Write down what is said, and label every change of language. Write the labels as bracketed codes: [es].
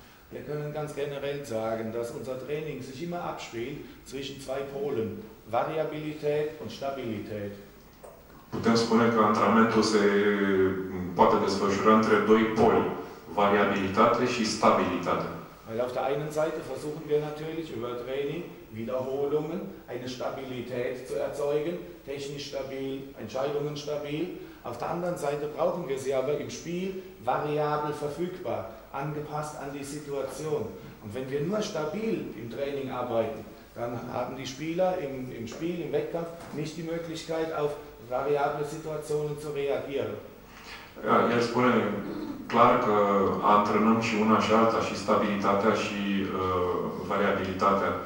[de] Wir können ganz generell sagen, dass unser Training sich immer abspielt zwischen zwei Polen, Variabilität und Stabilität. [ro] Putem spune că antrenamentul se poate desfășura între doi poli, variabilitate și stabilitate. [de] Weil auf der einen Seite versuchen wir natürlich über Training, Wiederholungen, eine Stabilität zu erzeugen, technisch stabil, Entscheidungen stabil. Auf der anderen Seite brauchen wir sie aber im Spiel variabel verfügbar, angepasst an die Situation. Und wenn wir nur stabil im Training arbeiten, dann haben die Spieler im Spiel, im Wettkampf, nicht die Möglichkeit, auf variable Situationen zu reagieren. [ro] Ja, el spune clar că antrenăm și una și alta, și stabilitatea și variabilitatea.